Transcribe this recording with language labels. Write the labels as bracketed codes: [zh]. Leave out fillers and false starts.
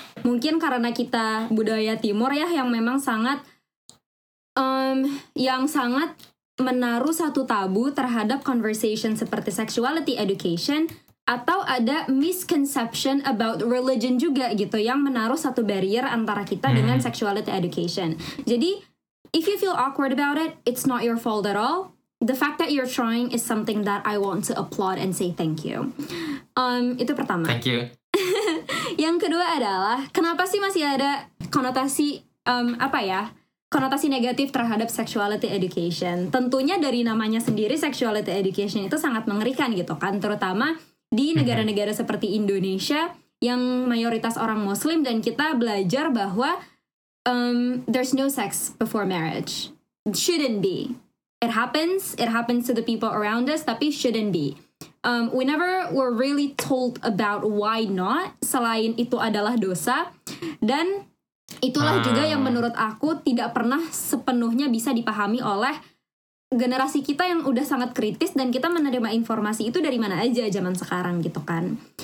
[id] mungkin karena kita budaya Timur ya, yang memang sangat yang sangat menaruh satu tabu terhadap conversation seperti sexuality education, atau ada [en] misconception about religion [id] juga gitu, yang menaruh satu barrier antara kita dengan sexuality education. Jadi, [en] if you feel awkward about it, it's not your fault at all. The fact that you're trying is something that I want to applaud and say thank you. [id] Itu pertama. [en] Thank you. [id] Yang kedua adalah, kenapa sih masih ada konotasi, konotasi negatif terhadap sexuality education? Tentunya dari namanya sendiri, sexuality education itu sangat mengerikan gitu kan, terutama di negara-negara seperti Indonesia yang mayoritas orang Muslim, dan kita belajar bahwa [en] there's no sex before marriage. Shouldn't be. It happens to the people around us, [id] tapi [en] shouldn't be. Whenever we're really told about why not, [id] selain itu adalah dosa, dan itulah juga yang menurut aku tidak pernah sepenuhnya bisa dipahami oleh generasi kita yang udah sangat kritis, dan kita menerima informasi itu dari mana aja zaman sekarang gitu kan.